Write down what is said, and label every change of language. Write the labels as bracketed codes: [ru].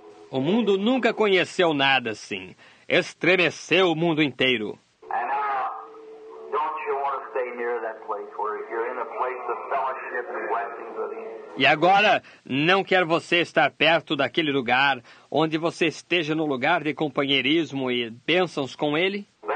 [pt] O mundo nunca conheceu nada assim. Estremeceu o mundo inteiro. [en] And don't you want to stay near that place where you're in a place of fellowship and blessing? [pt] E agora, não quer você estar perto daquele lugar, onde você esteja no lugar de companheirismo e bênçãos com ele?